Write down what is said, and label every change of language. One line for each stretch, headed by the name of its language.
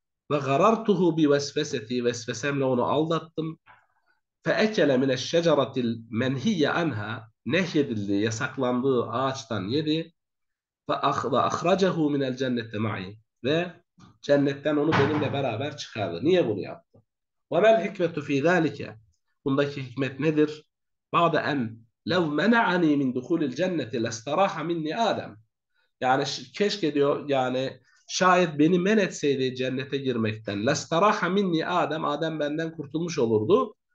Arabic: Ve garartuhu bi vesveseti,
Turkish: vesvesemle onu aldattım.
Arabic: Fe'ekele mineşşeceratil menhiyye anha,
Turkish: nehyedildi, yasaklandığı ağaçtan yedi.
Arabic: Ve ahracehu minel cennete ma'i.
Turkish: Ve cennetten onu benimle beraber çıkardı. Niye bunu yaptı?
Arabic: Ve mel hikmetu fi zalike.
Turkish: Bundaki hikmet nedir?
Arabic: Ba'de en لَوْ مَنَعَن۪ي مِنْ دُخُولِ الْجَنَّةِ لَاسْتَرَاحَ مِنِّي آدَمُ.
Turkish: Yani keşke diyor, yani şayet beni men etseydi cennete girmekten.
Arabic: لَاسْتَرَاحَ مِنِّي آدَمُ.
Turkish: Adem benden kurtulmuş olurdu.